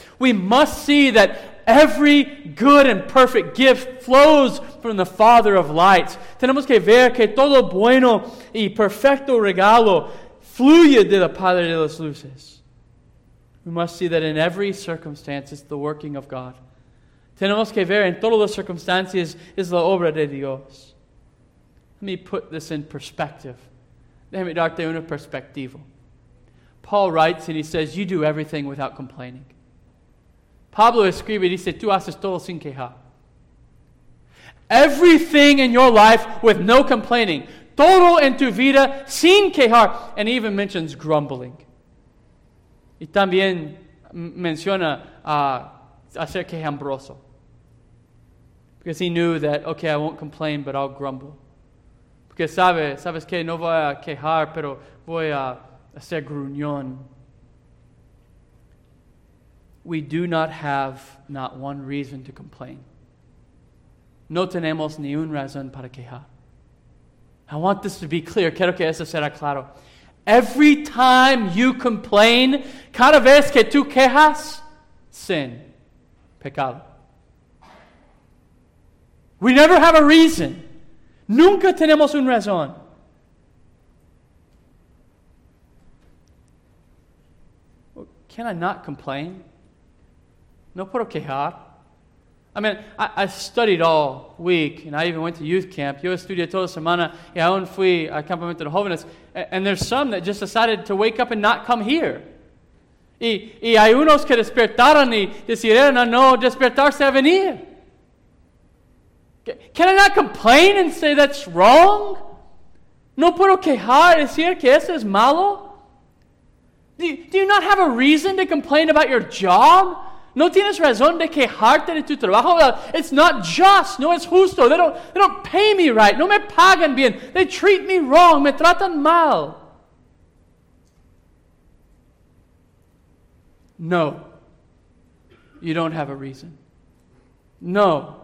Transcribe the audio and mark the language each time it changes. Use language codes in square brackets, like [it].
[en] We must see that every good and perfect gift flows from the Father of lights. [es] Tenemos que ver que todo bueno y perfecto regalo fluye de la Padre de las Luces. [en] We must see that in every circumstance it's the working of God. [es] Tenemos que ver en todas las circunstancias es la obra de Dios. [en] Let me put this in perspective. [es] Déjame darte una perspectiva. [en] Paul writes and he says, you do everything without complaining. [es] Pablo escribe y dice, tú haces todo sin queja. [en] Everything in your life with no complaining. [es] Todo en tu vida sin quejar. [en] And he even mentions grumbling. [es] Y también menciona hacer quejambroso. [en] Because he knew that, okay, I won't complain, but I'll grumble. [es] Porque sabes que no voy a quejar, pero voy a hacer gruñón. [en] We do not have not one reason to complain. [es] No tenemos ni un razón para quejar. [en] I want this to be clear. [es] Quiero que eso sea claro. [en] Every time you complain, [es] cada vez que tú quejas, sin pecado. [en] We never have a reason. [es] Nunca tenemos un razón. [en] Can I not complain? [es] No puedo quejar. [en] I mean, I studied all week, and I even went to youth camp. [es] Yo estudié toda semana, y aún fui a campamento de jóvenes. [en] And there's some that just decided to wake up and not come here. [es] Y hay unos que despertaron y decidieron no despertarse a venir. [en] Can I not complain and say that's wrong? [es] No puedo quejar y decir que eso es malo. [en] Do you not have a reason to complain about your job? [es] No tienes razón de quejarte de tu trabajo. [en] It's not just. [es] No es justo. [en] They don't pay me right. [es] No me pagan bien. [en] They treat me wrong. [es] Me tratan mal. [en] No. You don't have a reason. No.